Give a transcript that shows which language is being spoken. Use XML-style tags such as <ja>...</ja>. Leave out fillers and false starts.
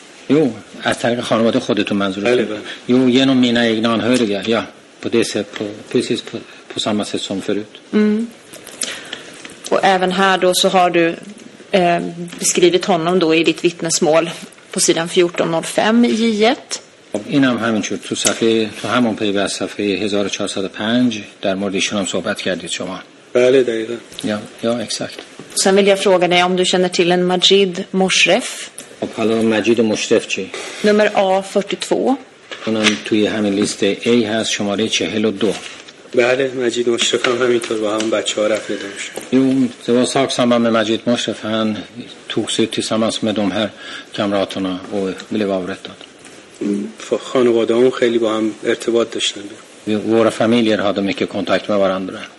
<sv>Jo,</sv> <fa>از طریق خانواده خودتون منظور بله</fa> <sv>Jo, genom mina egna anhöriga. Ja, på det sätt, på, precis på samma sätt som förut. Mm. Och även här då så har du beskrivit honom då i ditt vittnesmål på sidan 1405 i J1. Inom</sv> <fa>همین شد تو صفحه تو همون پیوست صفحه 1405 در مورد ایشون هم صحبت کردید شما. بله دقیقا.</fa> <sv>Ja, exakt. Sen vill jag fråga dig om du känner till en Majid Moshref. Och kallar hon Majid Moshref</sv> <fa>chi?</fa> <sv>Nummer A42. Hon har</sv> <fa>توی همین لیست A هست شماره 42. بله مجید مشرف هم همینطور با همون بچه ها رفت داده میشه.</fa> <sv>Jo, det var sak samma med Majid Moshref. Han tog sig tillsammans med de här kamraterna och blev avrättad.</sv> <fa>خانواده هم خیلی با هم ارتباط داشتن.</fa> <sv>Våra familjer hade mycket kontakt med varandra.</sv>